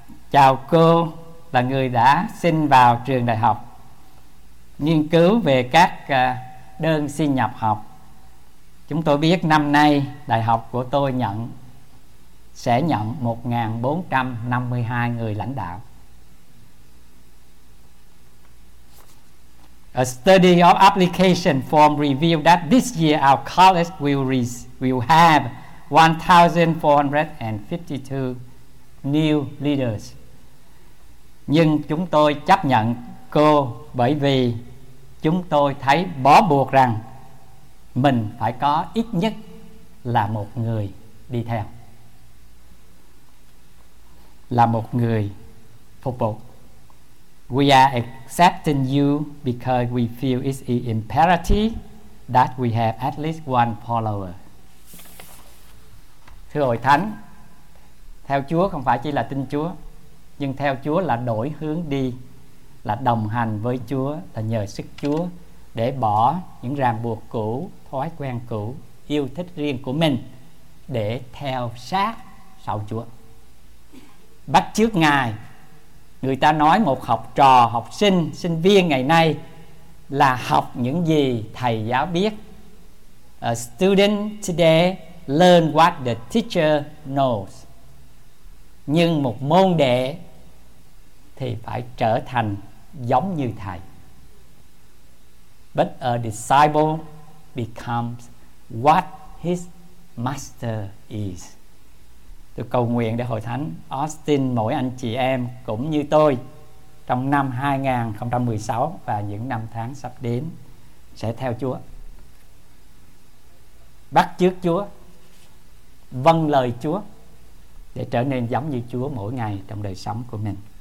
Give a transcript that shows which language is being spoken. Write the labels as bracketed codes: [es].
[vi] Chào cô là người đã xin vào trường đại học, nghiên cứu về các đơn xin nhập học. Chúng tôi biết năm nay đại học của tôi sẽ nhận 1.452 người lãnh đạo. [en] A study of application form revealed that this year our college will have 1,452 new leaders. [vi] Nhưng chúng tôi chấp nhận cô bởi vì chúng tôi thấy bó buộc rằng mình phải có ít nhất là một người đi theo, là một người phục vụ. [en] We are accepting you because we feel it's imperative that we have at least one follower. [vi] Thưa Hội Thánh, theo Chúa không phải chỉ là tin Chúa, nhưng theo Chúa là đổi hướng đi, là đồng hành với Chúa, là nhờ sức Chúa để bỏ những ràng buộc cũ, thói quen cũ, yêu thích riêng của mình để theo sát sau Chúa. Bắt chước Ngài. Người ta nói một học trò, học sinh, sinh viên ngày nay là học những gì thầy giáo biết. [en] A student today learn what the teacher knows. [vi] Nhưng một môn đệ thì phải trở thành giống như thầy. [en] But a disciple becomes what his master is. [vi] Tôi cầu nguyện để Hội Thánh Austin, mỗi anh chị em cũng như tôi trong năm 2016 và những năm tháng sắp đến sẽ theo Chúa, bắt chước Chúa, vâng lời Chúa để trở nên giống như Chúa mỗi ngày trong đời sống của mình.